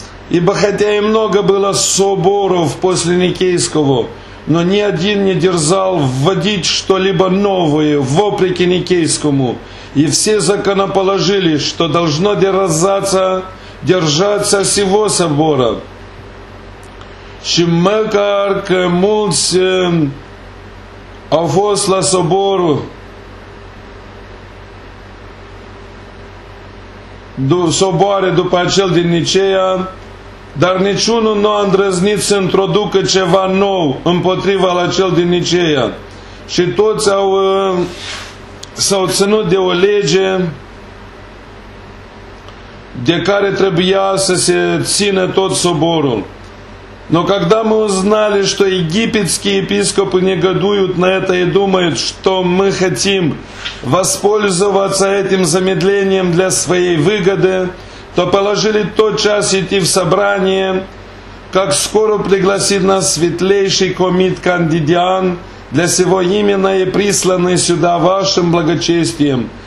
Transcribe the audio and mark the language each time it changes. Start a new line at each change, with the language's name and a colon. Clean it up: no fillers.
Russian: Ибо хотя и много было соборов после Никейского, но ни один не дерзал вводить что-либо новое вопреки Никейскому, и все законоположили, что должно держаться всего собора.
Romanian: Și măcar că mulți au fost la soborul soboare după acel din Nicea, dar niciunul nu a îndrăznit să introducă ceva nou împotriva la cel din Nicea. Și toți s-au ținut de o lege de care trebuia să se țină tot soborul.
Russian: Но когда мы узнали, что египетские епископы негодуют на это и думают, что мы хотим воспользоваться этим замедлением для своей выгоды, то положили тотчас идти в собрание, как скоро пригласит нас светлейший комит Кандидиан для сего имена и присланный сюда вашим благочестием.